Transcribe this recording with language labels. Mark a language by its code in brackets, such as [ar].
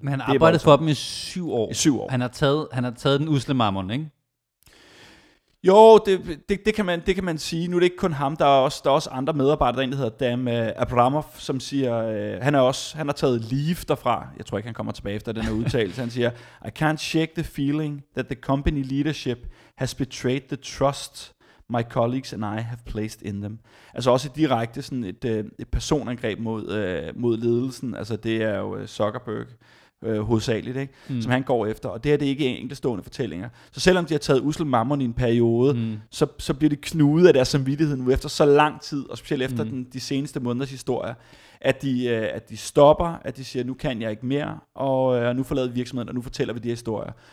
[da] Men han arbejdede for dem i 7 år. Han har taget den usle marmon, ikke? Jo, det kan man sige. Nu er det ikke kun ham, der er også andre medarbejdere, der hedder Dan Abramov, som siger, han har taget leave derfra. Jeg tror ikke, han kommer tilbage efter den her udtalelse. Han siger, [en] I can't shake the feeling that the company leadership has betrayed the trust my colleagues and I have placed in them. [da] Altså også direkte sådan et personangreb mod ledelsen. Altså det er jo Zuckerberg, hovedsageligt, ikke? Som han går efter. Og det her, det er ikke enkeltstående fortællinger. Så selvom de har taget ussel mammon i en periode, så bliver det knudet af deres samvittighed nu efter så lang tid, og specielt efter de seneste måneders historie, at de stopper, at de siger, nu kan jeg ikke mere, og nu forlader virksomheden, og nu fortæller vi de her historier.